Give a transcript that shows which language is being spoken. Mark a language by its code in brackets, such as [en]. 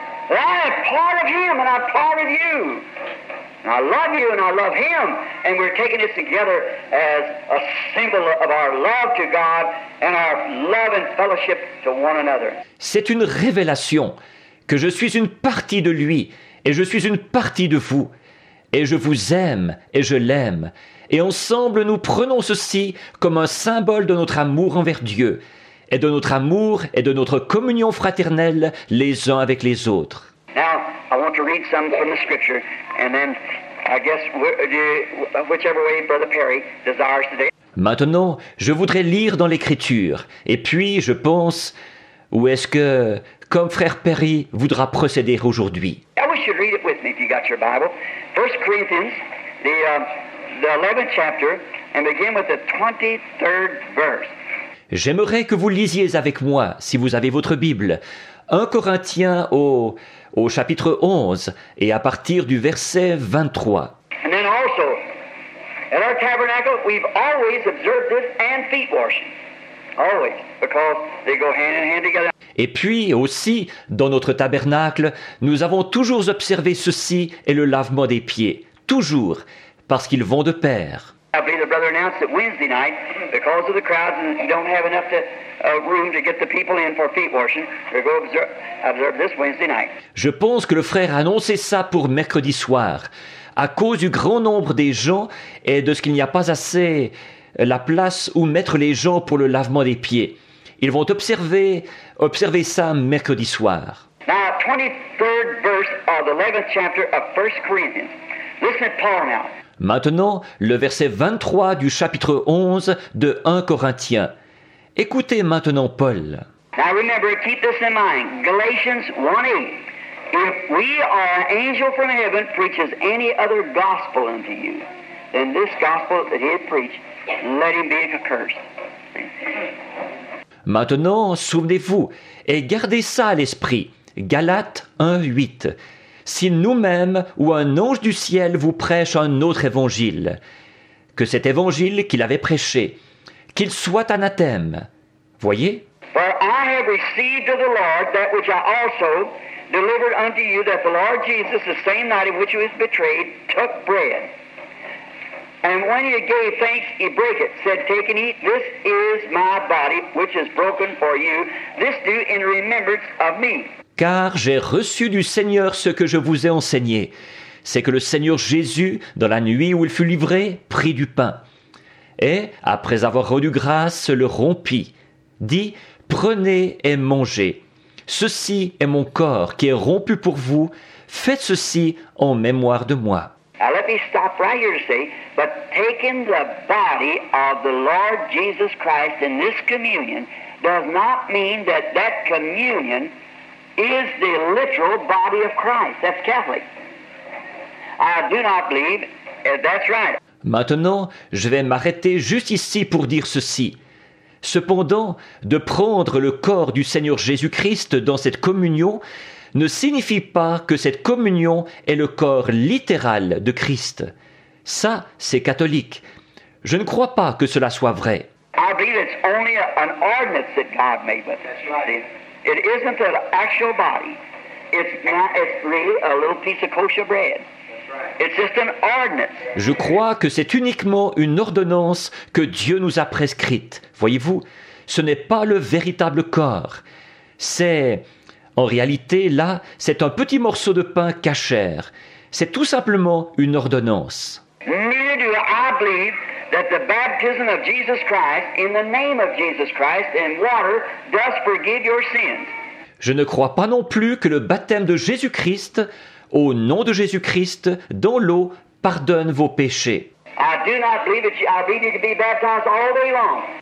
[en] I'm part of him and I'm part of you. And I love you and I love him. And we're taking this together as a symbol of our love to God and our love and fellowship to one another. [fr] C'est une révélation que je suis une partie de lui et je suis une partie de vous. Et je vous aime et je l'aime. Et ensemble, nous prenons ceci comme un symbole de notre amour envers Dieu. Et de notre amour et de notre communion fraternelle les uns avec les autres. [en] Now, I want to read some from the scripture, and then I guess whichever way Brother Perry desires today. [fr] Maintenant, je voudrais lire dans l'écriture, et puis je pense, où est-ce que, comme Frère Perry voudra procéder aujourd'hui. [en] I wish you'd read it with me if you got your Bible. 1 Corinthians, the 11th chapter, and begin with the 23rd verse. [fr] J'aimerais que vous lisiez avec moi, si vous avez votre Bible, 1 Corinthiens au chapitre 11 et à partir du verset 23. [en] And then also, at our tabernacle, we've always observed this and feet washing. Always, because they go hand in hand together. [fr] Et puis aussi, dans notre tabernacle, nous avons toujours observé ceci et le lavement des pieds. Toujours, parce qu'ils vont de pair. [en] I believe the brother announced that Wednesday night, because of the crowds and you don't have enough room to get the people in for feet washing, they're going to observe this Wednesday night. [fr] Je pense que le frère a annoncé ça pour mercredi soir, à cause du grand nombre des gens et de ce qu'il n'y a pas assez la place où mettre les gens pour le lavement des pieds. Ils vont observer ça mercredi soir. [en] Now, 23rd verse of the 11th chapter of 1 Corinthians. Listen to Paul now. [fr] Maintenant, le verset 23 du chapitre 11 de 1 Corinthiens. Écoutez maintenant Paul. [en] Now remember, keep this in mind. Galatians 1:8. If we or an angel from heaven preaches any other gospel unto you, then this gospel that he preached, let him be accursed. [fr] Maintenant, souvenez-vous et gardez ça à l'esprit. Galates 1:8. Si nous-mêmes ou un ange du ciel vous prêche un autre évangile, que cet évangile qu'il avait prêché, qu'il soit anathème. Voyez? [en] For I have received of the Lord that which I also delivered unto you, that the Lord Jesus, the same night in which he was betrayed, took bread. And when he gave thanks, he broke it, said, Take and eat, this is my body, which is broken for you. This do in remembrance of me. [fr] Car j'ai reçu du Seigneur ce que je vous ai enseigné. C'est que le Seigneur Jésus, dans la nuit où il fut livré, prit du pain. Et, après avoir rendu grâce, le rompit. Dit, prenez et mangez. Ceci est mon corps qui est rompu pour vous. Faites ceci en mémoire de moi. [en] Now let me stop right here to say, but taking the body of the Lord Jesus Christ in this communion does not mean that that communion is the literal body of Christ. That's Catholic. I do not believe that's right. [fr] Maintenant, je vais m'arrêter juste ici pour dire ceci. Cependant, de prendre le corps du Seigneur Jésus-Christ dans cette communion ne signifie pas que cette communion est le corps littéral de Christ. Ça, c'est catholique. Je ne crois pas que cela soit vrai. [en] I believe it's only an ordinance that God made with us. It isn't an actual body. It's really a little piece of kosher bread. It's just an ordinance. [fr] Je crois que c'est uniquement une ordonnance que Dieu nous a prescrite. Voyez-vous, ce n'est pas le véritable corps. C'est, en réalité, là, c'est un petit morceau de pain kasher. C'est tout simplement une ordonnance. [en] Neither do I believe that the baptism of Jesus Christ in the name of Jesus Christ in water does forgive your sins. [fr] Je ne crois pas non plus que le baptême de Jésus-Christ au nom de Jésus-Christ dans l'eau pardonne vos péchés. [en] I do not believe that you need to be baptized all day long.